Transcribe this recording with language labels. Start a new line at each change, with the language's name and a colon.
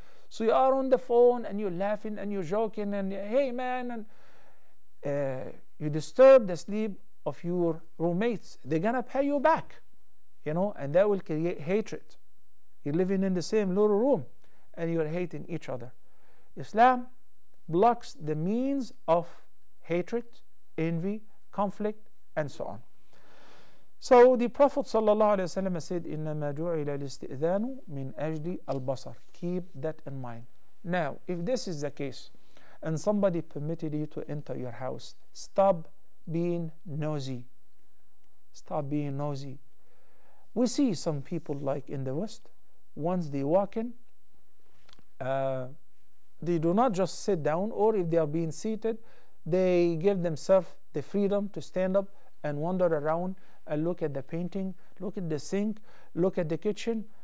English: So you are on the phone and you're laughing and you're joking and hey man, and you disturb the sleep of your roommates, they're gonna pay you back, you know, and that will create hatred. You're living in the same little room and you're hating each other. Islam blocks the means of hatred, envy, conflict, and so on. So the Prophet ﷺ said,
Arabic: إِنَّمَا جُعِلَ الْإِسْتِئْذَانُ مِنْ أَجْلِ الْبَصَرِ.
English: Keep that in mind. Now, if this is the case, and somebody permitted you to enter your house, stop being nosy. Stop being nosy. We see some people like in the West, once they walk in, they do not just sit down, or if they are being seated, they give themselves the freedom to stand up and wander around and look at the painting, look at the sink, look at the kitchen.